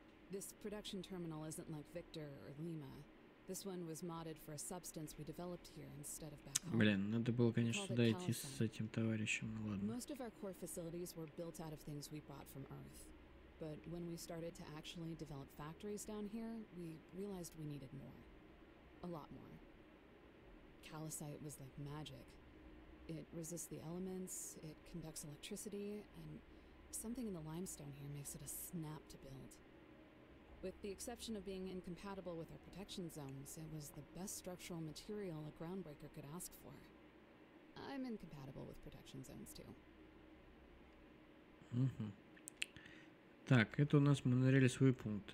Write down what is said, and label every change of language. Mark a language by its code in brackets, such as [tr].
[en] This production terminal isn't like Victor or Lima. This one was modded for a substance we developed here instead of back home. [ru] Блин, надо было, конечно, сюда идти с этим товарищем. Ладно. [en] Most of our core facilities were built out of things we brought from Earth. But when we started to actually develop factories down here, we realized we needed more. A lot more. Calcite was like magic. It resists the elements, it conducts electricity, and something in the limestone here makes it a snap to build. With the exception of being incompatible with our protection zones, it was the best structural material a groundbreaker could ask for. I'm incompatible with protection zones too. Mm-hmm. [ru] Так, это у нас мы нарели свой пункт.